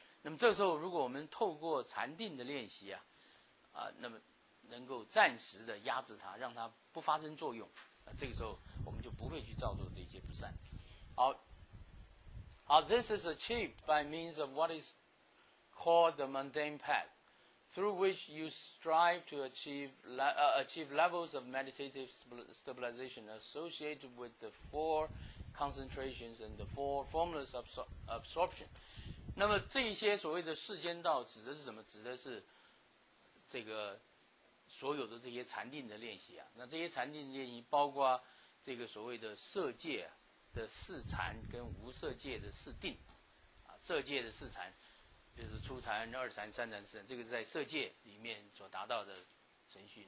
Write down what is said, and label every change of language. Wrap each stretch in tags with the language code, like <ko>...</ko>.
<zh>那么这时候如果我们透过禅定的练习那么能够暂时的压制它，让它不发生作用这个时候我们就不会去造作这些不善。</zh> <en>好 This is achieved by means of what is called the mundane path through which you strive to achieve levels of meditative stabilization associated with the four concentrations and the four formless absorption。</en> <zh>那么这些所谓的世间道指的是什么？指的是这个所有的这些禅定的练习啊。那这些禅定的练习包括这个所谓的色界的四禅跟无色界的四定啊，色界的四禅就是初禅、二禅、三禅、四禅，这个是在色界里面所达到的程序。</zh>